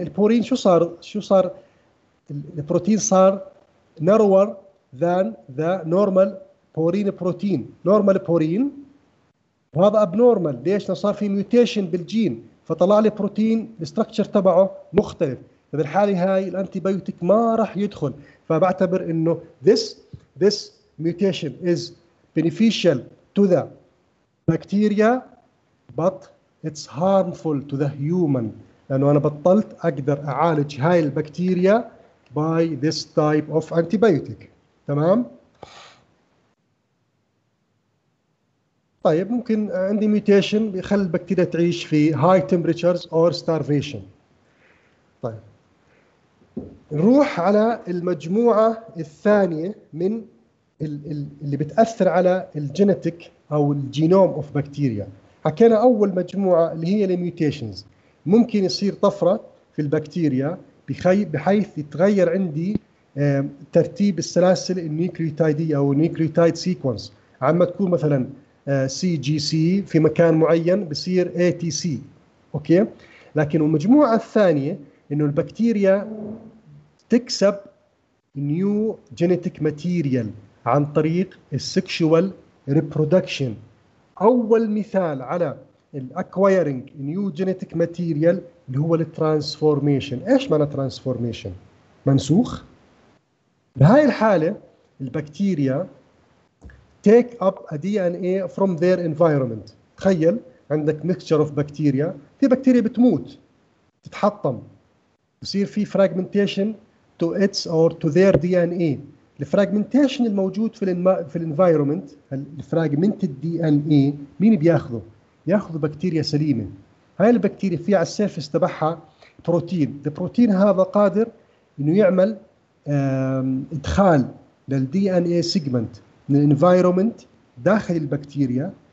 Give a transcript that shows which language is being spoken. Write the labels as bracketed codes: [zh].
[ar] البورين شو صار، شو صار البروتين صار [en] narrower than the normal [ar] بورين بروتين. نورمال بورين وهذا abnormal. ليش؟ صار في ميوتيشن بالجين فطلع لي بروتين الستركتشر تبعه مختلف. فبالحاله هاي الانتيبيوتيك ما راح يدخل. فبعتبر انه [en] this mutation is beneficial to the bacteria but it's harmful to the human، [ar] لانه انا بطلت اقدر اعالج هاي البكتيريا [en] by this type of antibiotic. [ar] تمام؟ طيب ممكن عندي ميوتيشن بيخلي البكتيريا تعيش في [en] high temperatures or starvation. [ar] طيب نروح على المجموعة الثانية من اللي بتأثر على الجينيتك أو الجينوم of بكتيريا. حكينا أول مجموعة اللي هي الميوتيشنز. ممكن يصير طفرة في البكتيريا بحيث يتغير عندي ترتيب السلاسل النيوكليوتايدية أو النيوكليوتايد سيكونس. عما تكون مثلاً CGC في مكان معين بصير ATC، أوكي؟ لكن المجموعة الثانية إنه البكتيريا تكسب [en] new genetic material [ar] عن طريق sexual reproduction. أول مثال على [en] acquiring new genetic material [ar] اللي هو الترانسفورميشن. إيش معنى ترانسفورميشن؟ منسوخ. بهاي الحالة البكتيريا [en] take up a DNA from their environment. [ar] تخيل عندك [en] mixture of bacteria، [ar] في بكتيريا بتموت تتحطم، بصير في [en] fragmentation to its or to their DNA. [ar] الفراجمنتيشن الموجود في في الانفايرومنت، الفراجمنت الدي ان اي مين بياخذه؟ ياخذ بكتيريا سليمه. هاي البكتيريا فيها على السيرفس تبعها بروتين، البروتين هذا قادر انه يعمل ادخال للدي ان اي سيجمنت من الانفايرومنت داخل البكتيريا.